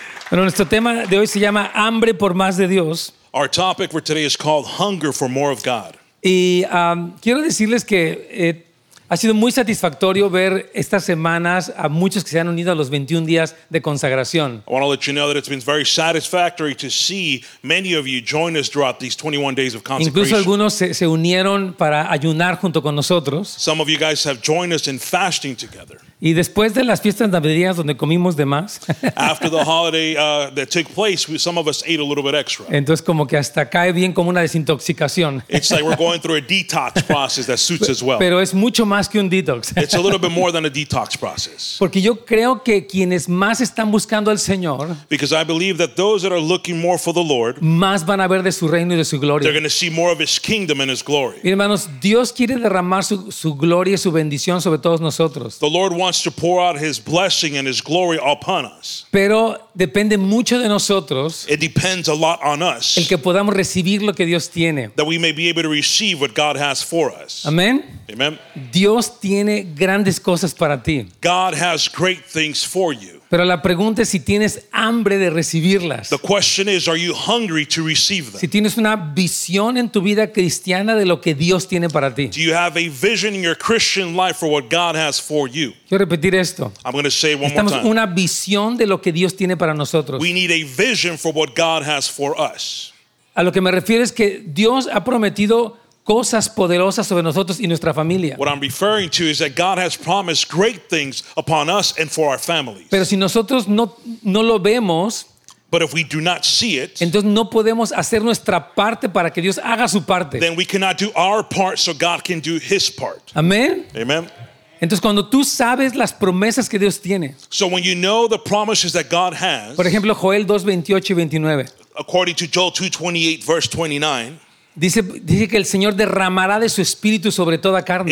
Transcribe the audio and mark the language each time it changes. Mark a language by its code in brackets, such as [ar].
[es] Bueno, nuestro tema de hoy se llama Hambre por Más de Dios. [en] Our topic for today is called Hunger for More of God. [es] Y quiero decirles que ha sido muy satisfactorio ver estas semanas a muchos que se han unido a los 21 días de consagración. [en] I want to let you know that it's been very satisfactory to see many of you join us throughout these 21 days of consecration. [es] Incluso algunos se unieron para ayunar junto con nosotros. [en] Some of you guys have joined us in fasting together. [es] Y después de las fiestas navideñas donde comimos de más. [en] After the holiday that took place, some of us ate a little bit extra. [es] Entonces como que hasta cae bien como una desintoxicación. [en] It's like we're going through a detox process that suits as well. [es] Pero es mucho más que un detox. [en] It's a little bit more than a detox process. [es] Porque yo creo que quienes más están buscando al Señor. [en] Because I believe that those that are looking more for the Lord. [es] Más van a ver de su reino y de su gloria. [en] They're going to see more of His kingdom and His glory. [es] Mis hermanos, Dios quiere derramar su gloria y su bendición sobre todos nosotros. [en] The Lord wants to pour out His blessing and His glory upon us. [es] Pero depende mucho de nosotros. [en] It depends a lot on us. [es] El que podamos recibir lo que Dios tiene. [en] That we may be able to receive what God has for us. [es] Amen. [en] Amen. [es] Dios tiene grandes cosas para ti. [en] God has great things for you. [es] Pero la pregunta es si tienes hambre de recibirlas. [en] The question is, are you hungry to receive them? [es] Si tienes una visión en tu vida cristiana de lo que Dios tiene para ti. [en] Do you have a vision in your Christian life for what God has for you? [es] Quiero repetir esto. [en] I'm going to say it one [es] Estamos [en] more time. [es] Una visión de lo que Dios tiene para nosotros. [en] We need a vision for what God has for us. [es] A lo que me refiero es que Dios ha prometido cosas poderosas sobre nosotros y nuestra familia. [en] What I'm referring to is that God has promised great things upon us and for our families. [es] Pero si nosotros no lo vemos, [en] but if we do not see it, [es] entonces no podemos hacer nuestra parte para que Dios haga su parte. [en] Then we cannot do our part so God can do His part. [es] Amén. [en] Amen. [es] Entonces cuando tú sabes las promesas que Dios tiene. [en] So when you know the promises that God has. [es] Por ejemplo, Joel 2:28 y 29. [en] According to Joel 2:28 verse 29. [es] Dice que el Señor derramará de su espíritu sobre toda carne.